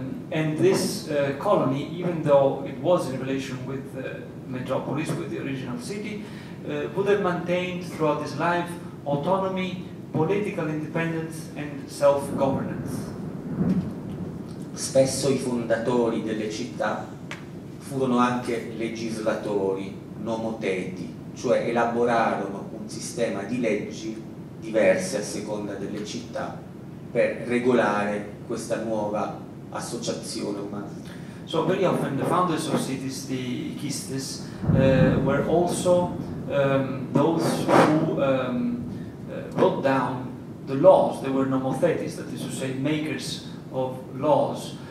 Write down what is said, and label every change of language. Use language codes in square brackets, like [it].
[en] And this colony, even though it was in relation with the metropolis, with the original city, would have maintained throughout his life autonomy, political independence and self-governance. [it] Spesso i fondatori delle città furono anche legislatori, nomoteti, cioè elaborarono un sistema di leggi diverse a seconda delle città per regolare questa nuova associazione umana. [en] So very often the founders of cities, the Kistes, were also those who wrote down the laws. They were nomothetes, that is to say, makers of laws.